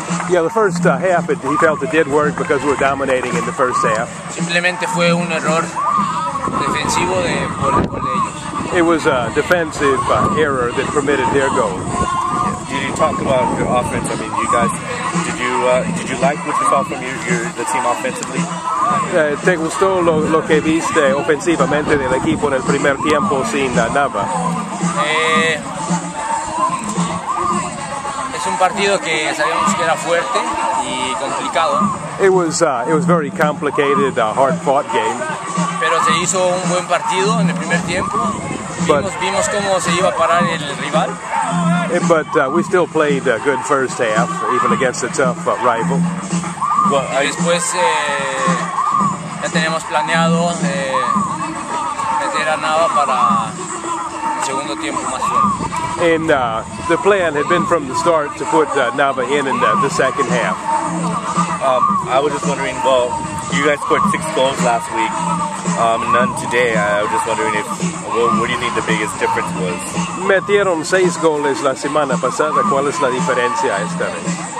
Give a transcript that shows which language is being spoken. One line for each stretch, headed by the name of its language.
English: Yeah, the first half, he felt it did work because we were dominating in the first half.
Spanish: Simplemente fue un error defensivo de por ellos.
English: It was a defensive error that permitted their goal. Did you talk about your offense? I mean, you guys, did you like what you saw from the team offensively?
Spanish: Te gustó lo que viste ofensivamente del equipo en el primer tiempo sin Nava? Un partido que sabíamos que era fuerte y complicado.
English: It was very complicated, hard-fought game.
Spanish: Pero se hizo un buen partido en el primer tiempo. Vimos cómo se iba a parar el rival.
English: But we still played a good first half, even against a tough rival.
Spanish: Y después ya teníamos planeado meter a Nava para el segundo tiempo más fuerte.
English: And the plan had been from the start to put Nava in the second half. I was just wondering, well, you guys scored 6 goals last week, none today. I was just wondering what do you think the biggest difference was?
Spanish: Metieron 6 goles la semana pasada. ¿Cuál es la diferencia esta vez?